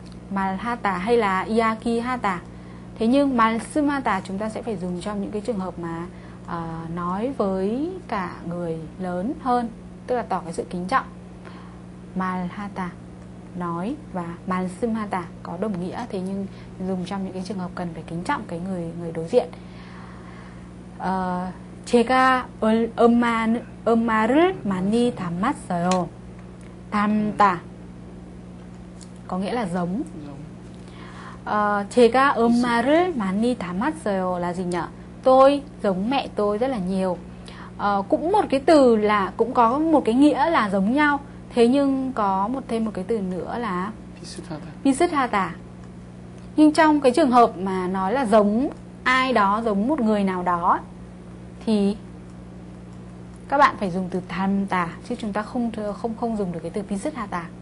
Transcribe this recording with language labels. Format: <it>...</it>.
<vi>말하다 hay là 이야기하다. Thế nhưng 말씀하다 chúng ta sẽ phải dùng trong những cái trường hợp mà nói với cả người lớn hơn, tức là tỏ cái sự kính trọng. Malhata nói và malsumhata có đồng nghĩa, thế nhưng dùng trong những cái trường hợp cần phải kính trọng cái người đối diện.</vi> <ko>제가 엄마를 많이 닮았어요.</ko> <vi>닮다 có nghĩa là giống.</vi> <ko>제가 엄마를 많이 닮았어요</ko> <vi>là gì nhỉ? Tôi giống mẹ tôi rất là nhiều. Cũng một cái từ là cũng có một cái nghĩa là giống nhau. Thế nhưng có một thêm một cái từ nữa là 비슷하다. Nhưng trong cái trường hợp mà nói là giống ai đó, giống một người nào đó thì các bạn phải dùng từ 닮다 chứ chúng ta không dùng được cái từ 비슷하다.</vi>